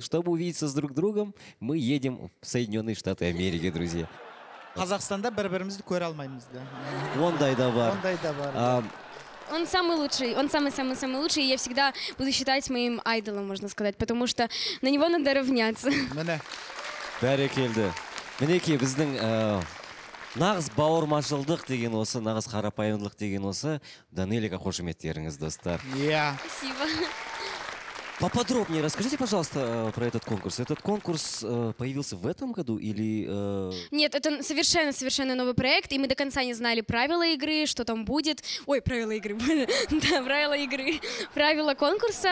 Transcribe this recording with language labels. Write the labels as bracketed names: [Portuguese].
[Russian] Чтобы увидеться с друг другом, мы едем в Соединенные Штаты Америки, друзья. [Kazakh] В Казахстане бір-бірімізді көре алмаймыз, да. Ондай да бар. [Russian] Он самый лучший, он самый-самый-самый лучший, и я всегда буду считать моим айдолом, можно сказать, потому что на него надо равняться. [Kazakh] Міне. Бәрекелді. Мінекі, біздің нағыз бауырмашылдық деген осы, нағыз қарапайымдылық деген осы, Данелияға қошеметтеріңіз, достар. Иә. [Russian] Спасибо. Поподробнее расскажите, пожалуйста, про этот конкурс. Этот конкурс появился в этом году или... Нет, это совершенно новый проект, и мы до конца не знали правила игры, что там будет. Ой, правила игры. Да, правила игры. Правила конкурса.